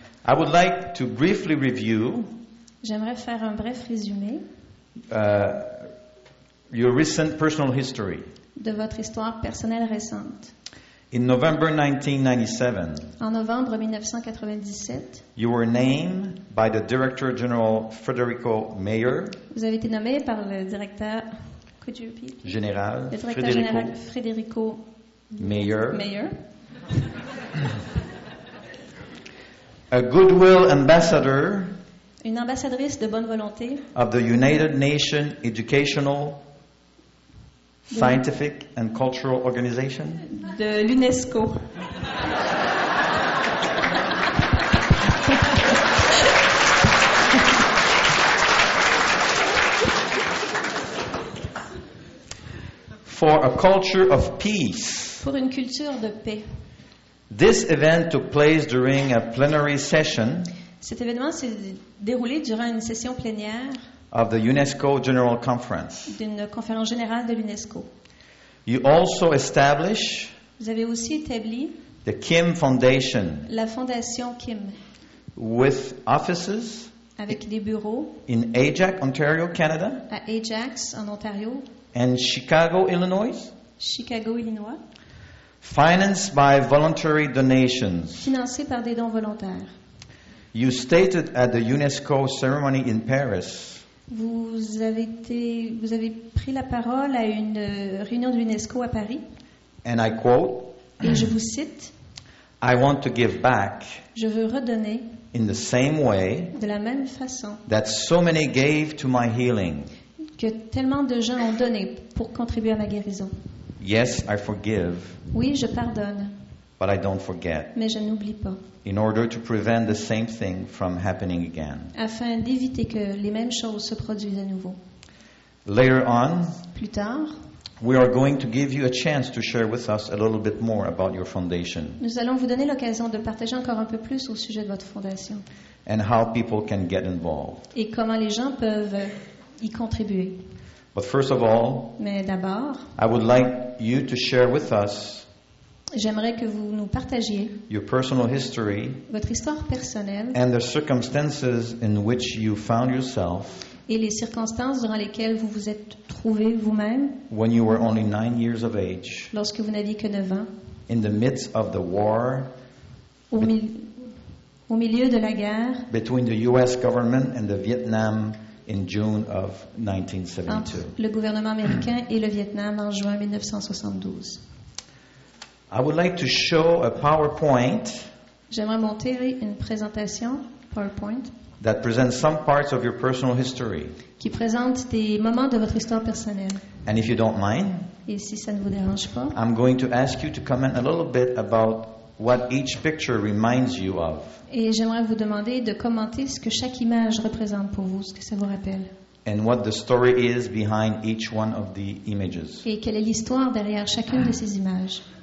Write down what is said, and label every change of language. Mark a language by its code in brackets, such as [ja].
[en] I would like to briefly review. [fr] J'aimerais faire un bref résumé. [en] Your recent personal history. [fr] De votre histoire personnelle récente. [en] In November 1997. [fr] En novembre 1997. [en] You were named by the Director General Federico Mayer. [fr] Vous avez été nommé par le directeur. [en] Could you repeat? [fr] Général, le directeur général Federico Mayer. Mayer. [en] A goodwill ambassador. [fr] Une ambassadrice de bonne volonté. [en] Of the United Nations Educational, Scientific and Cultural Organization. [fr] De l'UNESCO. [en] For a culture of peace. [fr] Pour une culture de paix. [en] This event took place during a plenary session. [fr] Cet événement s'est déroulé durant une session plénière. [en] Of the UNESCO General Conference. [fr] D'une conférence générale de l'UNESCO. [en] You also establish. [fr] Vous avez aussi établi. [en] The Kim Foundation. [fr] La Fondation Kim. [en] With offices. [fr] Avec des bureaux. [en] In Ajax, Ontario, Canada. [fr] À Ajax, en Ontario. [en] And Chicago, Illinois. [fr] Chicago, Illinois. [en] Financed by voluntary donations. [fr] Financé par des dons volontaires. [en] You stated at the UNESCO ceremony in Paris. [fr] Vous avez pris la parole à une réunion de l'UNESCO à Paris. [en] And I quote. [fr] Et je vous cite. [en] I want to give back. [fr] Je veux redonner. [en] In the same way. [fr] De la même façon. [en] That so many gave to my healing. [fr] Que tellement de gens ont donné pour contribuer à ma guérison. [en] Yes, I forgive. [fr] Oui, je pardonne. [en] But I don't forget. [fr] Mais je n'oublie pas. [en] In order to prevent the same thing from happening again. [fr] Afin d'éviter que les mêmes choses se produisent à nouveau. [en] Later on. [fr] Plus tard. [en] We are going to give you a chance to share with us a little bit more about your foundation. [fr] Nous allons vous donner l'occasion de partager encore un peu plus au sujet de votre fondation. [en] And how people can get involved. [fr] Et comment les gens peuvent y contribuer. [en] But first of all. [fr] Mais d'abord. [en] I would like you to share with us. [fr] J'aimerais que vous nous partagiez [en] your personal history, [fr] votre histoire personnelle, [en] and the circumstances in which you found yourself, [fr] et les circonstances durant lesquelles vous vous êtes trouvé vous-même, [en] when you were only 9 years of age, [fr] lorsque vous n'aviez que 9 ans, [en] in the midst of the war, [fr] au milieu de la guerre, [en] between the U.S. government and the Vietnam in June of 1972. [fr] Entre le gouvernement américain et le Vietnam en juin 1972. [en] I would like to show a PowerPoint. [fr] J'aimerais montrer une présentation PowerPoint. [en] That presents some parts of your personal history. [fr] Qui présente des moments de votre histoire personnelle. [en] And if you don't mind, [fr] et si ça ne vous dérange pas, [en] I'm going to ask you to comment a little bit about what each picture reminds you of. [fr] Et j'aimerais vous demander de commenter ce que chaque image représente pour vous, ce que ça vous rappelle. [en] And what the story is behind each one of the images. [fr] Et quelle est l'histoire derrière chacune de ces images?